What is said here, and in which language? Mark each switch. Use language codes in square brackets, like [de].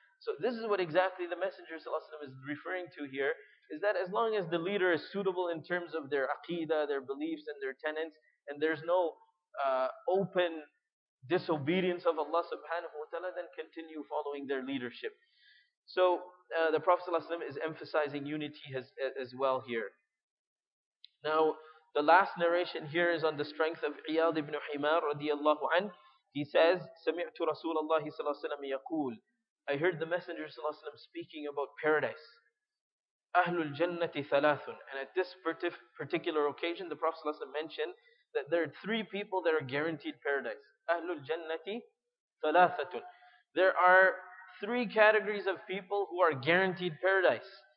[en] So this is what exactly the Messenger ﷺ is referring to here, is that as long as the leader is suitable in terms of their aqidah, their beliefs and their tenets, and there's no open disobedience of Allah subhanahu wa ta'ala, then continue following their leadership. So the Prophet ﷺ is emphasizing unity as well here. Now, the last narration here is on the strength of Iyad ibn Himar radiallahu anhu. He says, [ar] سَمِعْتُ رَسُولَ اللَّهِ صَلَى اللَّهِ وَسَلَّمَ يَقُولُ [en] I heard the Messenger صلى الله عليه وسلم speaking about paradise. [ar] أَهْلُ الْجَنَّةِ ثَلَاثٌ [en] And at this particular occasion, the Prophet صلى الله عليه وسلم mentioned that there are three people that are guaranteed paradise. [ar] أَهْلُ الْجَنَّةِ ثَلَاثَةٌ [en] There are three categories of people who are guaranteed paradise.